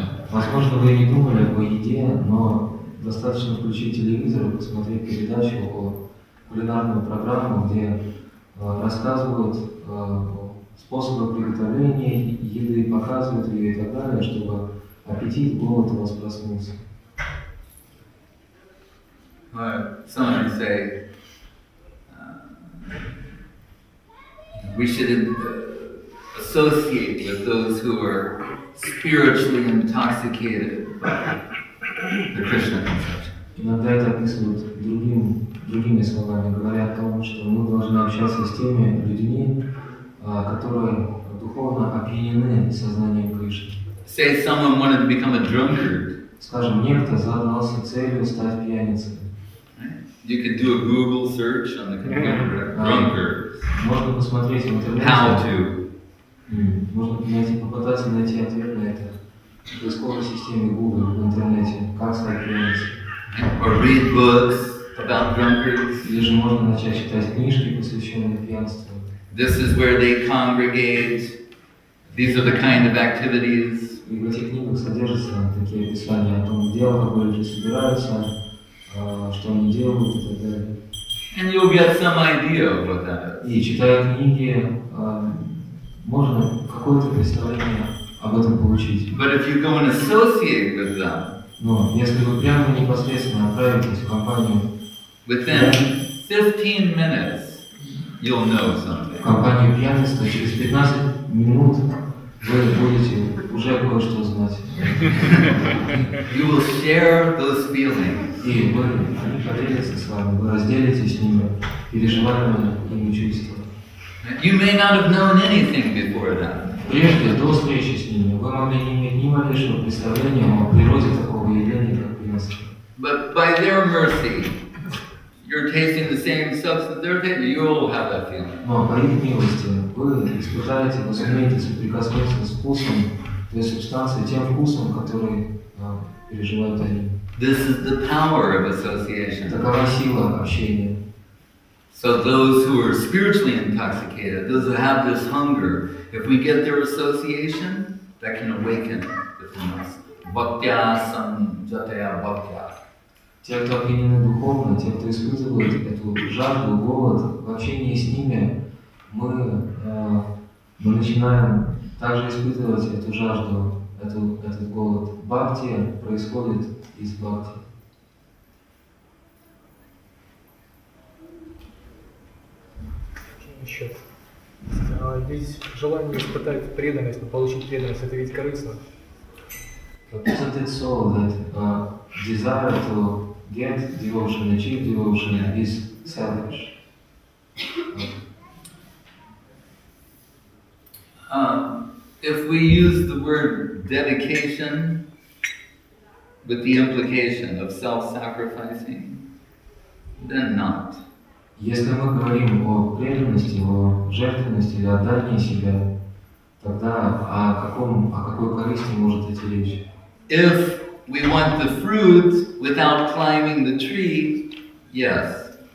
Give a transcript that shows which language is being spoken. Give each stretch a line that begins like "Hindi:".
Russian: Возможно, вы не думали о еде, но достаточно включить телевизор и посмотреть передачу о кулинарную программу, где рассказывают способы приготовления еды, показывают ее и так далее, чтобы аппетит, голод у вас проснулся.
English: Some would say we should associate with those who are spiritually intoxicated by the Krishna conception.
Russian: Иногда это описывают другими словами, говоря о том, что мы должны общаться с теми людьми, которые духовно опьянены сознанием Кришны.
English: Say someone wanted to become a drunkard.
Russian: Скажем, некто задался целью стать пьяницей.
English: You could do a Google search on the computer. Drunkard.
Russian: Можно посмотреть в интернете.
English: How to?
Russian: Можно попытаться найти ответ на это в поисковой системе Google в интернете. Как стать пьяницей?
English: Or read books about drunkards.
Russian: Или же можно начать читать книжки, посвященные пьянству.
English: This is where they congregate. These are the kind of activities.
Russian: И в этих книгах содержатся такие описания о том, где алкоголь люди собираются. Что они делают и так далее.
English: And you'll get some idea of what that is.
Russian: И читая книги, можно какое-то представление об этом получить.
English: But if you go and associate with them,
Russian: но если вы прямо непосредственно отправитесь в компанию,
English: within 15 minutes, you'll know something.
Russian: В компанию пьяниста через 15 минут вы будете уже кое-что знать.
English: You will share those feelings.
Russian: И они поделятся с вами, вы разделите с ними переживания и чувства.
English: You may not have known anything before that.
Russian: Прежде, до встречи с ними, вы могли не иметь ни малейшего представления о природе такого явления, как пьянство.
English: But by their mercy, you're tasting the same substance they're tasting, you all have that feeling.
Russian: Но по их милости, вы испытаете, вы сумеете соприкоснуться с вкусом той субстанции, тем вкусом, который переживают они.
English: This is the power of association.
Russian: Такова сила общения.
English: So those who are spiritually intoxicated, those who have this hunger, if we get their association, that can awaken within us.
Sanskrit: Bhaktya samjataya bhaktya.
Russian: Те, кто опьянены духовно, те, кто испытывает эту жажду, голод, в общении с ними, мы начинаем также испытывать эту жажду, этот голод. Бхактия происходит из бхакти. Еще. Ведь желание испытать преданность, но получить преданность, это ведь корыстно.
English: Isn't it so that desire to get devotion, achieve devotion is selfish? If we use the word dedication with the implication of self-sacrificing, then not.
Russian: Если мы говорим о преданности, о жертвенности или отдании себя, тогда о какой корысти может идти речь?
English: If we want the fruit without climbing the tree, yes.